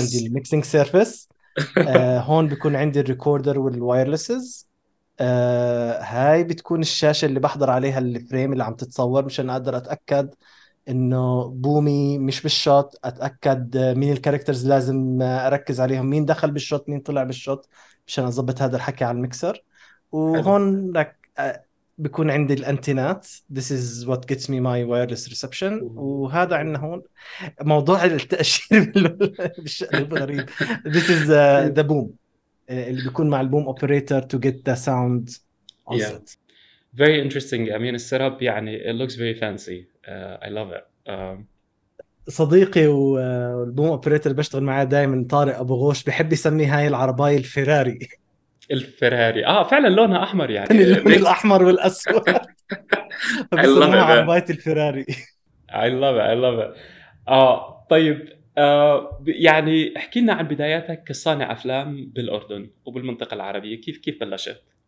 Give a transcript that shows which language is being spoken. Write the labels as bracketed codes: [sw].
[ar] عندي الميكسينج سيرفيس. هون بيكون عندي الريكوردر والوايرلسز. هاي بتكون الشاشة اللي بحضر عليها الفريم اللي عم تتصور مشان أقدر أتأكد إنه بومي مش بالشوت، أتأكد مين الكاركترز لازم أركز عليهم، مين دخل بالشوت مين طلع بالشوت مشان أضبط هذا الحكي على الميكسر. وهون لك بيكون عندي الأنتينات، [en] this is what gets me my wireless reception. [ar] وهذا عندنا هون موضوع التأشير بالشكل الغريب، [en] this is the boom [ar] اللي بيكون مع البوم [en] operator to get the sound on set. Very interesting. I mean the setup [ar] يعني [en] it looks very fancy. I love it. [ar] صديقي والبوم operator بشتغل معاه دائما طارق أبو غوش بحب يسمي هاي العرباية الفراري. الفراري فعلا لونها احمر يعني من الاحمر والاسود. بسموها عرباية الفراري. [en] I love it. [ar] طيب يعني احكي لنا عن بداياتك كصانع افلام بالاردن وبالمنطقه العربيه، كيف بلشت؟